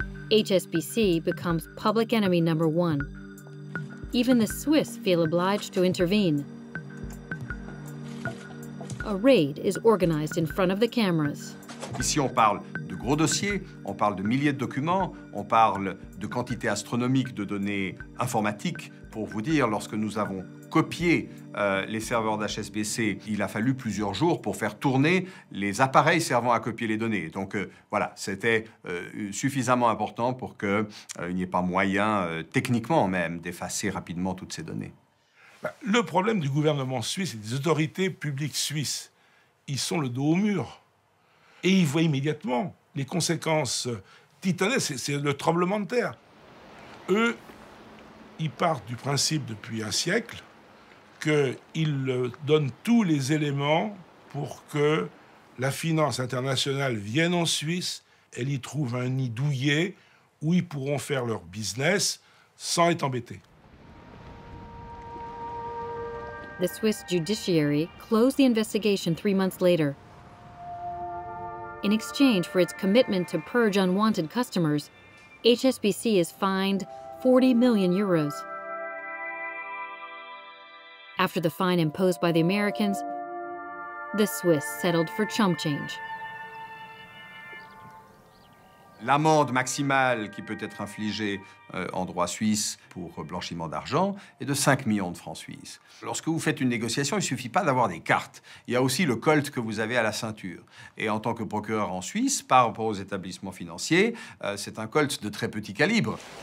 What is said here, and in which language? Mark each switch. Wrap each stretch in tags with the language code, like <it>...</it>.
<en>HSBC becomes public enemy number one. Even the Swiss feel obliged to intervene. A raid is organized in front of the cameras.</en> <fr>Ici, on parle de gros dossiers, on parle de milliers de documents, on parle de quantités astronomiques de données informatiques. Pour vous dire, lorsque nous avons copié les serveurs d'HSBC, il a fallu plusieurs jours pour faire tourner les appareils servant à copier les données. Donc voilà, c'était suffisamment important pour qu'il n'y ait pas moyen, techniquement même, d'effacer rapidement toutes ces données. Le problème du gouvernement suisse et des autorités publiques suisses, ils sont le dos au mur. Et ils voient immédiatement les conséquences titanesque, c'est le tremblement de terre. Eux, ils partent du principe depuis un siècle qu'ils donnent tous les éléments pour que la finance internationale vienne en Suisse, elle y trouve un nid douillet où ils pourront faire leur business sans être embêtés.</fr> <en>The Swiss judiciary closed the investigation 3 months later. In exchange for its commitment to purge unwanted customers, HSBC is fined 40 million euros. After the fine imposed by the Americans, the Swiss settled for chump change.</en> <fr>L'amende maximale qui peut être infligée en droit suisse pour blanchiment d'argent est de 5 millions de francs suisses. Lorsque vous faites une négociation, il ne suffit pas d'avoir des cartes. Il y a aussi le colt que vous avez à la ceinture. Et en tant que procureur en Suisse, par rapport aux établissements financiers, c'est un colt de très petit calibre.</fr>